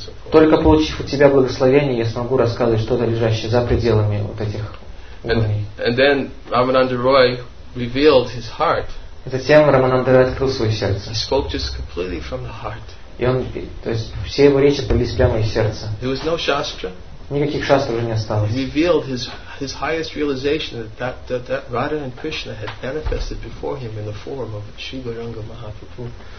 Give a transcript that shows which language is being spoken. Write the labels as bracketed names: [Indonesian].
[Russian] Только получив у тебя благословение, я смогу рассказывать что-то, лежащее за пределами вот этих уровней. [English] And then Рамананда Рай revealed his heart. [Russian] Затем Рамананда Рай открыл свое сердце. [English] He spoke just completely from the heart. [Russian] И он, то есть, все его речи полились прямо из сердца. [English] There was no shastra. [Russian] Никаких шастр уже не осталось. [English] He revealed his highest realization that Radha and Krishna had manifested before him in the form of Shiva Ranga Mahaprabhu.